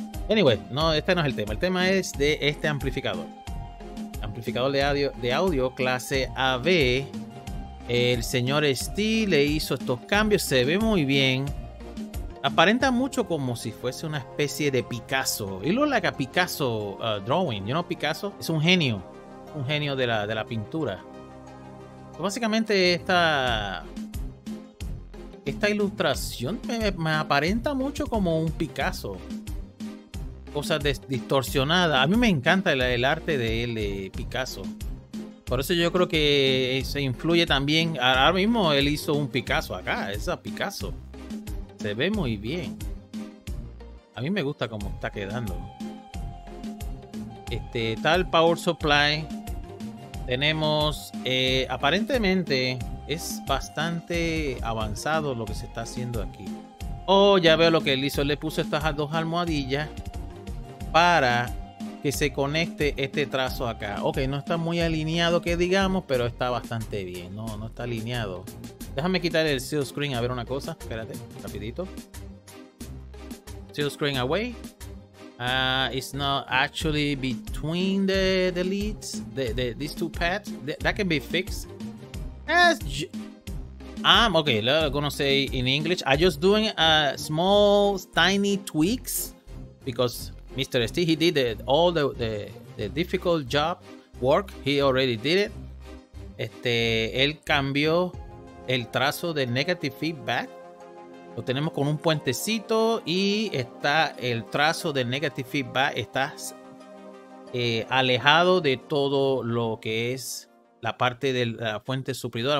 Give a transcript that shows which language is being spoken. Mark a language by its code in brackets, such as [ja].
[es] Anyway, no, este no es el tema. El tema es de este amplificador. Amplificador de audio clase AV. El señor Steve le hizo estos cambios. Se ve muy bien. Aparenta mucho como si fuese una especie de Picasso. [en] It looks like a Picasso drawing. You know Picasso? [es] Es un genio. Un genio de la pintura. So básicamente esta ilustración me aparenta mucho como un Picasso. Cosa distorsionada. A mí me encanta el arte de él, de Picasso. Por eso yo creo que se influye también. Ahora mismo él hizo un Picasso acá. Es a Picasso. Se ve muy bien. A mí me gusta cómo está quedando. Está el power supply. Tenemos. Aparentemente es bastante avanzado lo que se está haciendo aquí. Oh, ya veo lo que él hizo. Él le puso estas dos almohadillas para que se conecte este trazo acá. Ok, no está muy alineado que digamos, pero está bastante bien. No está alineado. Déjame quitar el seal screen a ver una cosa. Espérate, rapidito. [en] Seal screen away. It's not actually between the leads. These two pads. That can be fixed. Okay, I'm gonna say in English. I'm just doing a small, tiny tweaks. Because Mr. St, he did all the difficult job work. He already did it. [es] Él cambió el trazo de negative feedback. Lo tenemos con un puentecito y está el trazo de negative feedback. Está alejado de todo lo que es la parte de la fuente supridora.